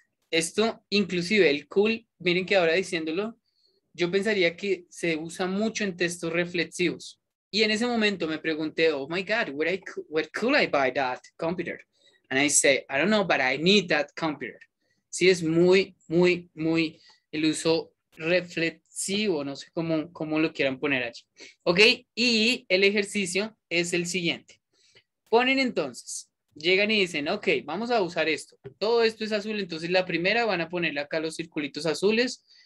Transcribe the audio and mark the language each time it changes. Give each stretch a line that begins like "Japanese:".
Spanish: Esto, inclusive, el cool, miren que ahora diciéndolo, yo pensaría que se usa mucho en textos reflexivos. Y en ese momento me pregunté,
English: oh my God, where could I buy that computer? And I say, I don't know, but I need that computer.
Spanish: Sí, es muy, muy, muy el uso reflexivo, no sé cómo lo quieran poner allí. Ok, y el ejercicio es el siguiente. Ponen entonces, llegan y dicen, ok, vamos a usar esto. Todo esto es azul, entonces la primera van a ponerle acá los circulitos azules.